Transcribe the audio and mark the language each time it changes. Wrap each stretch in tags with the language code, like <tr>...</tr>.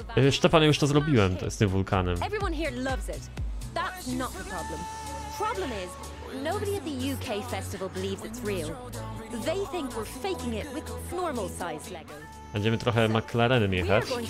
<pl>Szczepan, już to zrobiłem, to z tym wulkanem.</pl> <en>Problem is, nobody at the UK festival believes it's real. They think we're faking it with normal size Lego.</en> <pl>Będziemy trochę McLarenem jechać.</pl>